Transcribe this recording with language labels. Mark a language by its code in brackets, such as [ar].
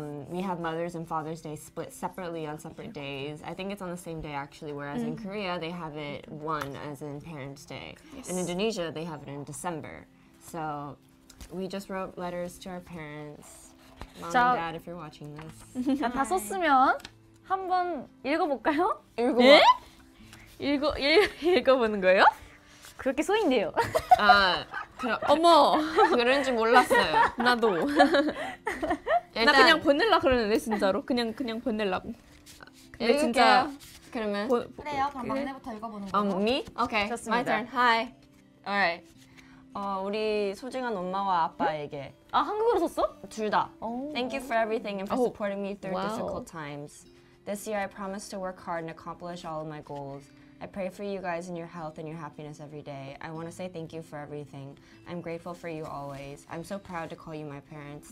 [en] We have Mother's and Father's Day split separately on separate days. I think it's on the same day actually, whereas in Korea they have it one as in Parents' Day. Yes. In Indonesia they have it in December. So we just wrote letters to our parents. Mom [ko] 자, [en] and Dad, if you're watching this. [ko] 다 썼으면 한번 읽어볼까요? 읽어봐. 읽어보는 거예요? 그렇게 쏘인대요. 아, 그럼 어머 그런지 몰랐어요. 나도. 일단, 나 그냥 보낼라 그러는데 진짜로 그냥 보낼라고. 근데 진짜 그러면 그래요. 그럼 막내부터 읽어보는 거. 미? 오케이. 좋습니다. [en] My turn. Hi. Alright. [ko] 우리 소중한 엄마와 아빠에게. 아 한국어로 썼어? 둘 다. [en] Thank you for everything and for supporting me through difficult times. This year I promise to work hard and accomplish all of my goals. I pray for you guys and your health and your happiness every day. I want to say thank you for everything. I'm grateful for you always. I'm so proud to call you my parents.